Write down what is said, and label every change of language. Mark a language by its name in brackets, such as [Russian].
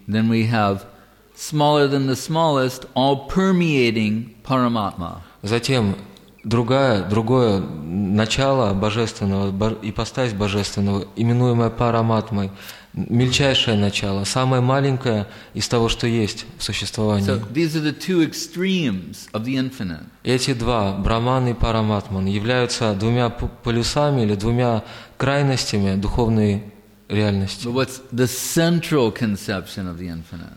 [English] Then we have smaller than the smallest, all permeating Paramatma. [Russian] Затем другое начало божественного, ипостась божественного, именуемое Параматмой, мельчайшее начало, самое маленькое из того, что есть в существовании. [English] So, these are the two extremes of the infinite. [Russian] Эти два, Браман и Параматман, являются двумя полюсами или двумя крайностями духовной реальности. [English] But what's the central conception of the infinite?